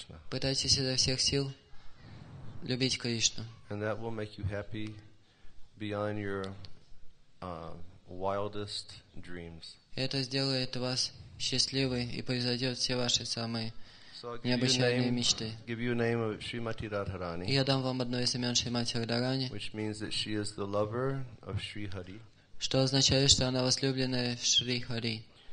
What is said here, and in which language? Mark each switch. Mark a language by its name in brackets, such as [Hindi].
[Russian] Пытайтесь изо всех сил любить Кришну. [English] And that will make you happy beyond your wildest dreams. [Russian] Это сделает вас счастливой и произойдет все ваши самые необычайные мечты. [English] Give you a name of Shrimati Radharani. [Russian] Я дам вам одно из имен Шримати Радхарани. [English] Which means that she is the lover of Shri Hari. [Russian] Что означает, что она возлюбленная в Шри Хари.